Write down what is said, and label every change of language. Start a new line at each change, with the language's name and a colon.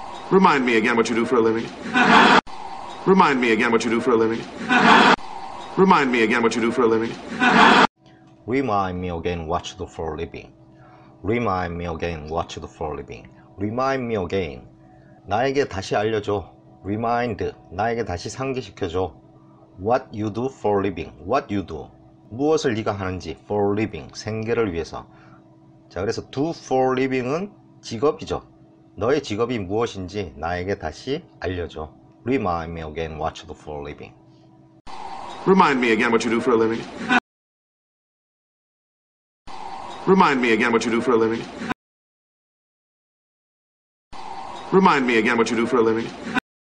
English: Remind me again what you do for a living. Remind me again what you do for a living. Remind me again what you do for a living. Remind me again what you do for a living. Remind me again what you do for a living. Remind me again.
Korean: 나에게 다시 알려줘.
English: Remind.
Korean: 나에게 다시 상기시켜줘. What you do for a living. What you do. 무엇을 네가 하는지. For a living. 생계를 위해서. 자, 그래서
English: do for a living
Korean: 은 직업이죠. 너의 직업이 무엇인지 나에게 다시 알려줘.
English: Remind me again what you do for a living. Remind me again what you do for a living. Remind me again what you do for a living. Remind me again what you do for a living.